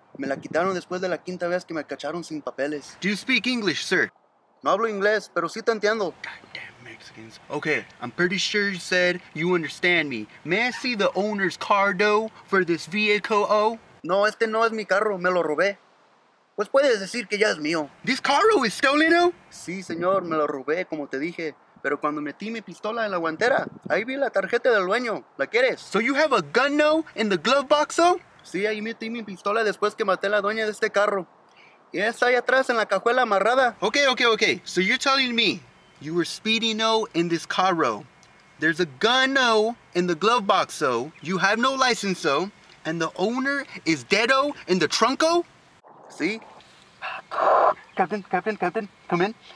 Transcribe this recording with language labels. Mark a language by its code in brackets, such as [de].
[es] Me la quitaron después de la quinta vez que me cacharon sin papeles. [en] Do you speak English, sir? [es] No hablo inglés, pero sí te entiendo. [en] Goddamn Mexicans. Okay, I'm pretty sure you said you understand me. May I see the owner's car, though, for this vehicle, [es] No, este no es mi carro. Me lo robé. Pues puedes decir que ya es mío. [en] This car is stolen, though? [es] Sí, señor. Me lo robé, como te dije. Pero cuando metí mi pistola en la guantera, ahí vi la tarjeta del dueño. ¿La quieres? [en] So you have a gun, though, in the glove box, though? [es] Sí, ahí metí mi pistola después que maté a la dueña de este carro. Y está ahí atrás en la cajuela amarrada. [en] Okay. So you're telling me you were speeding, though, in this car, though. There's a gun, though, in the glove box, though. You have no license, though. And the owner is dead, though, in the trunk, though? [es] Sí. [en] Captain, come in.